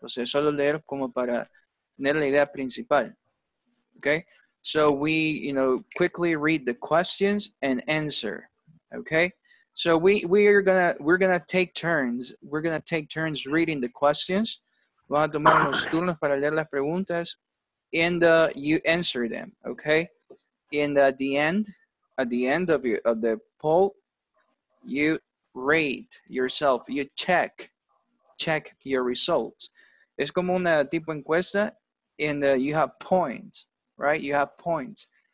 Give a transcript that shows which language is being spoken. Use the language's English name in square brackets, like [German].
[Spanish] O sea, solo leer como para tener la idea principal. [English] Okay? So we, you know, quickly read the questions and answer. Okay? So we're gonna take turns reading the questions. [Spanish] Vamos a tomar unos turnos para leer las preguntas. [English] And you answer them. Okay? And at the end of the poll, you rate yourself, you check your results. Es como una tipo encuesta, and you have points, right? You have points.